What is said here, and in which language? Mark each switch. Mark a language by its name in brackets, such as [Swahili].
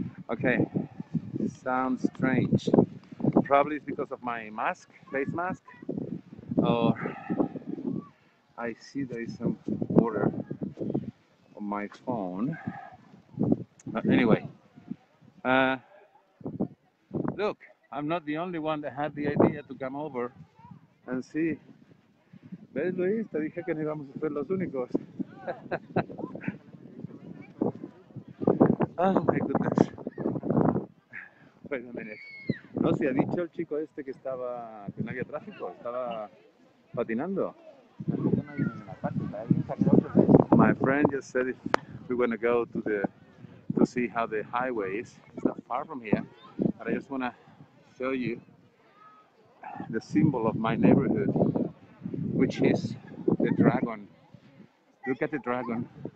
[English] Okay, sounds strange. Probably it's because of my mask, face mask, or I see there is some water on my phone. But anyway, look, I'm not the only one that had the idea to come over and see. [Spanish] ¿Ves, Luis? Te dije que no íbamos a ser los únicos. [English] Oh my goodness. Wait a minute. [Spanish] No, si ha dicho el chico este que estaba, que no había tráfico, estaba patinando. [English] My friend just said if we want to go to the to see how the highway is. It's not far from here, but I just want to show you the symbol of my neighborhood, which is the dragon. Look at the dragon.